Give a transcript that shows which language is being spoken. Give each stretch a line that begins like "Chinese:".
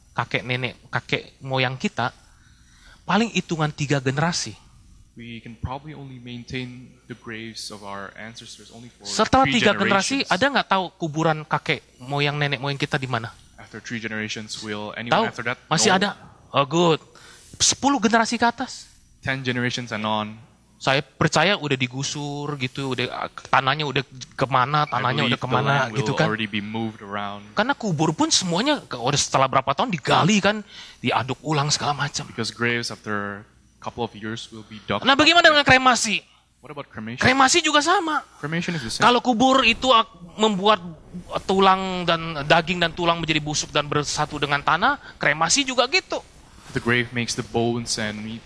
Indonesian: kakek nenek, kakek moyang kita, paling hitungan 3 generasi.
English: We can probably only maintain the graves of our ancestors only for 3
Indonesian: Setelah 3 generasi, ada enggak tahu kuburan kakek moyang nenek moyang kita di mana?
English: After 3 generations will anyone tahu? After that?
Indonesian: Masih
English: no.
Indonesian: Ada.
English: Oh good.
Indonesian: 10 generasi ke atas.
English: 10 generations and on.
Indonesian: Saya percaya udah digusur gitu, udah tanahnya udah kemana, tanahnya udah kemana gitu kan. Karena kubur pun semuanya udah setelah berapa tahun digali kan, diaduk ulang segala macam.
English: Because graves after a couple of years will be dug.
Indonesian: Nah, bagaimana dengan kremasi?
English: What about cremation?
Indonesian: Kremasi juga sama.
English: Cremation is the same.
Indonesian: Kalau kubur itu membuat tulang dan daging dan tulang menjadi busuk dan bersatu dengan tanah, kremasi juga gitu.
English: The grave makes the bones and meat.